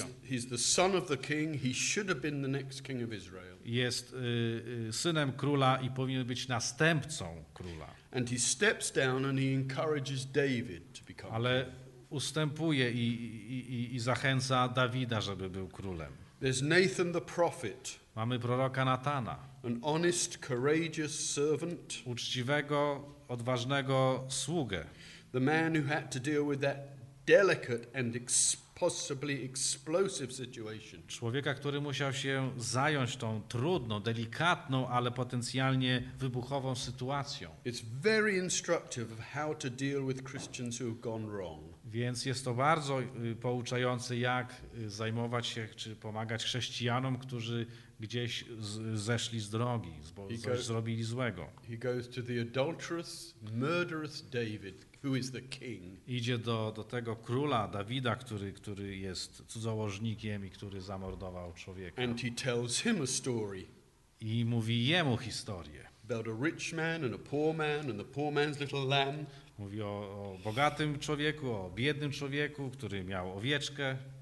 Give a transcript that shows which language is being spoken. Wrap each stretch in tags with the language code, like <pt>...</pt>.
<en>He's the son of the king, he should have been the next king of Israel.</en> <pl>Jest synem króla i powinien być następcą króla.</pl> <en>And he steps down and he encourages David to become king.</en> <pl>Ale ustępuje i zachęca Dawida, żeby był królem.</pl> <en>There's Nathan the prophet.</en> <pl>Mamy proroka Natana.</pl> <en>An honest, courageous servant.</en> <pl>Uczciwego, odważnego sługę.</pl> <en>The man who had to deal with that delicate and possibly explosive situation.</en> <pl>Człowieka, który musiał się zająć tą trudną, delikatną, ale potencjalnie wybuchową sytuacją.</pl> <en>It's very instructive of how to deal with Christians who have gone wrong.</en> <pl>Więc jest to bardzo pouczające, jak zajmować się czy pomagać chrześcijanom, którzy gdzieś zeszli z drogi, zrobili złego.</pl> <en>He goes to the adulterous, murderous David, who is the king.</en> <pl>Idzie do tego króla Dawida, który jest cudzołożnikiem i który zamordował człowieka.</pl> <en>And he tells him a story.</en> <pl>I mówi jemu historię.</pl> <en>About a rich man and a poor man and the poor man's little lamb.</en> <pl>Mówi o bogatym człowieku, o biednym człowieku, który miał owieczkę.</pl>